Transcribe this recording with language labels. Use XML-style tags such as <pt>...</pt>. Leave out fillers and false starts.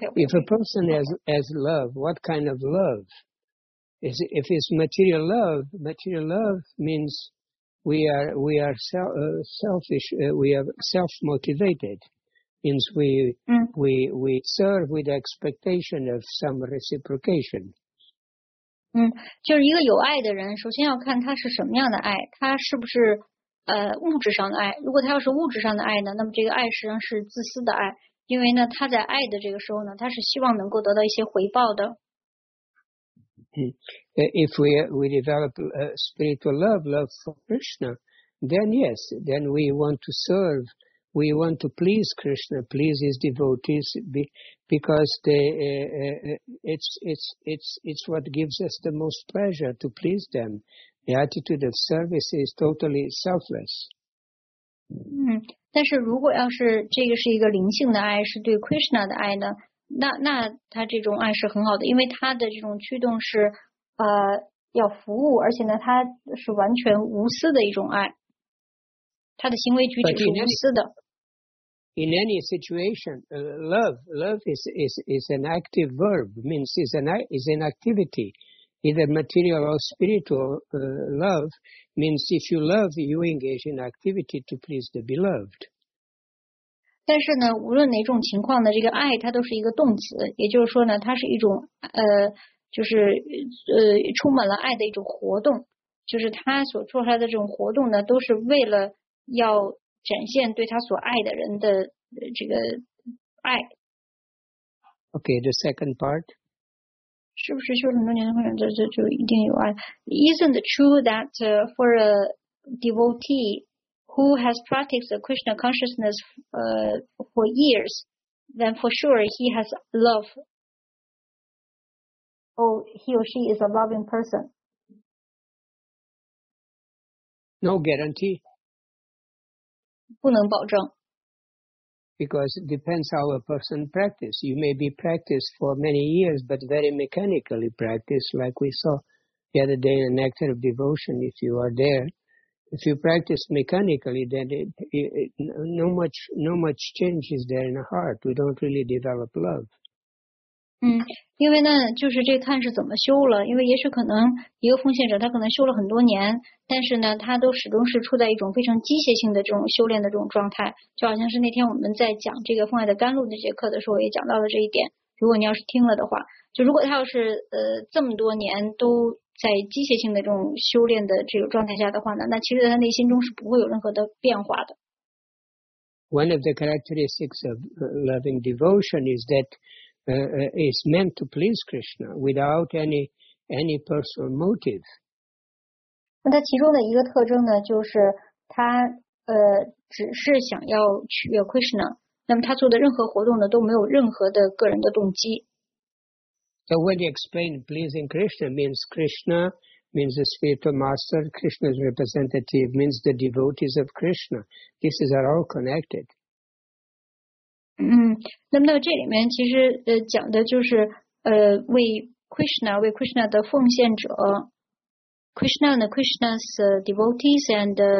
<en>If a person has love, what kind of love? If it's material love means... We are self-motivated, means we serve with the expectation of some reciprocation.</en> <zh>就是一个有爱的人，首先要看他是什么样的爱，他是不是物质上的爱。如果他要是物质上的爱呢，那么这个爱实际上是自私的爱，因为呢他在爱的这个时候呢，他是希望能够得到一些回报的。</zh> <en>If we develop spiritual love for Krishna, then yes, then we want to serve, we want to please Krishna, please his devotees, because it's what gives us the most pleasure to please them. The attitude of service is totally selfless.</en> <zh>但是如果要是这个是一个灵性的爱，是对 Krishna 的爱呢？那他这种爱是很好的，因为他的这种驱动是要服务，而且呢他是完全无私的一种爱，他的行为举止是无私的。</zh> <en>In any situation, love is an active verb, means is an activity, either material or spiritual. Love means if you love, you engage in activity to please the beloved.</en> <zh>但是呢，无论哪种情况呢，这个爱它都是一个动词，也就是说呢，它是一种就是充满了爱的一种活动，就是他所做出来的这种活动呢，都是为了要展现对他所爱的人的这个爱。</zh> <en>Okay, the second part.</en> <zh>是不是修很多年的会员，就一定有爱</zh> <en>？Isn't it true that for a devotee who has practiced Krishna consciousness for years, then for sure he has love? Oh, he or she is a loving person. No guarantee.</en> <zh>不能保证。</zh> <en>Because it depends how a person practices. You may be practiced for many years, but very mechanically practiced, like we saw the other day in an act of devotion, if you are there. If you practice mechanically, then no much change is there in the heart. We don't really develop love.</en> <zh>嗯，因为呢，就是这看是怎么修了。因为也许可能一个奉献者，他可能修了很多年，但是呢，他都始终是处在一种非常机械性的这种修炼的这种状态。就好像是那天我们在讲这个奉爱的甘露那节课的时候，也讲到了这一点。如果你要是听了的话，就如果他要是这么多年都在机械性的这种修炼的这种状态下的话呢，那其实他内心中是不会有任何的变化的。</zh> <en>One of the characteristics of loving devotion is that. Is meant to please Krishna without any personal motive.</en> <zh>那它其中的一个特征呢，就是它只是想要取悦 Krishna。那么它做的任何活动呢，都没有任何的个人的动机。</zh> <en>So when you explain pleasing Krishna means Krishna means the spiritual master, Krishna's representative means the devotees of Krishna. These are all connected.</en> <zh>嗯，那么这里面其实讲的就是为 Krishna 的奉献者 ，</zh> <en>Krishna and Krishna's devotees and</en>